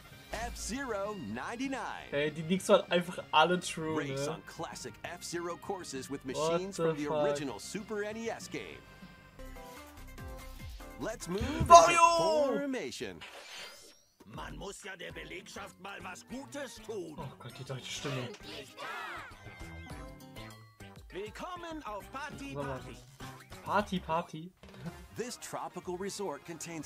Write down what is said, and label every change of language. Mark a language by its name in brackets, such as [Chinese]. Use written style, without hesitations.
[German] F-Zero 99. Ey, die Leaks waren einfach alle true, ne? [English] Race on classic F-Zero courses with machines from the original Super NES game. Let's move to formation. [German] Man muss ja der Belegschaft mal was Gutes tun. Oh Gott, die deutsche Stimme. Willkommen auf Party Party. [English] Party Party. This tropical resort contains.